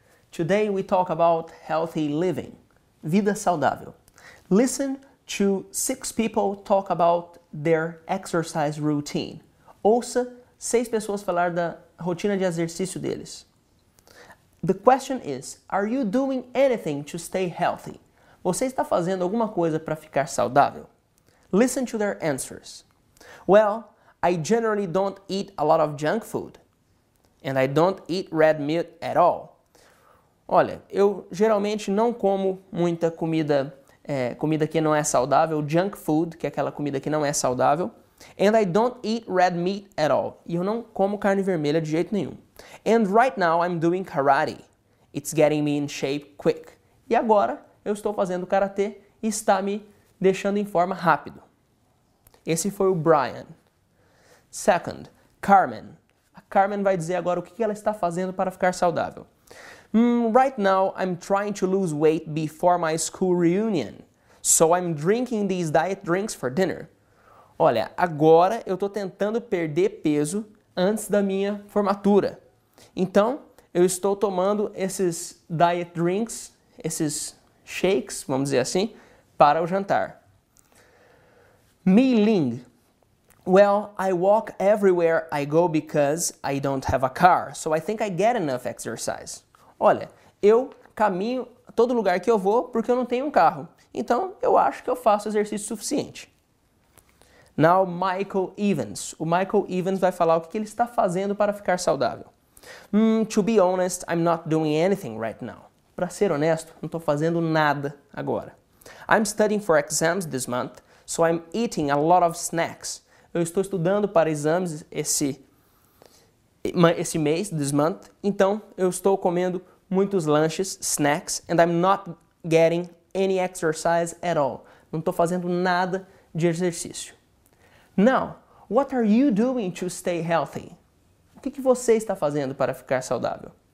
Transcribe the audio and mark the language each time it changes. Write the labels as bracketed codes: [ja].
[en] Today we talk about healthy living, [pt] vida saudável. [en] Listen to six people talk about their exercise routine. [pt] Ouça seis pessoas falar da rotina de exercício deles. [en] The question is, are you doing anything to stay healthy? [pt] Você está fazendo alguma coisa para ficar saudável? [en] Listen to their answers. Well, I generally don't eat a lot of junk food. And I don't eat red meat at all. [pt] Olha, eu geralmente não como muita comida, comida que não é saudável, junk food, que é aquela comida que não é saudável. [en] And I don't eat red meat at all. [pt] E eu não como carne vermelha de jeito nenhum. [en] And right now I'm doing karate. It's getting me in shape quick. [pt] E agora eu estou fazendo karatê e está me deixando em forma rápido. Esse foi o Brian. [en] Second, Carmen. [pt] Carmen vai dizer agora o que ela está fazendo para ficar saudável. [en] Right now, I'm trying to lose weight before my school reunion. So I'm drinking these diet drinks for dinner. [pt] Olha, agora eu estou tentando perder peso antes da minha formatura. Então, eu estou tomando esses diet drinks, esses shakes, vamos dizer assim, para o jantar. Mei Ling. [en] Well, I walk everywhere I go because I don't have a car, so I think I get enough exercise. [pt] Olha, eu caminho todo lugar que eu vou porque eu não tenho um carro. Então, eu acho que eu faço exercício suficiente. [en] Now, Michael Evans. [pt] O Michael Evans vai falar o que ele está fazendo para ficar saudável. [en] To be honest, I'm not doing anything right now. [pt] Para ser honesto, não estou fazendo nada agora. [en] I'm studying for exams this month, so I'm eating a lot of snacks. [pt] Eu estou estudando para exames esse mês, [en] this month, [pt] então eu estou comendo muitos lanches, snacks, [en] and I'm not getting any exercise at all. [pt] Não estou fazendo nada de exercício. [en] Now, what are you doing to stay healthy? [pt] O que você está fazendo para ficar saudável?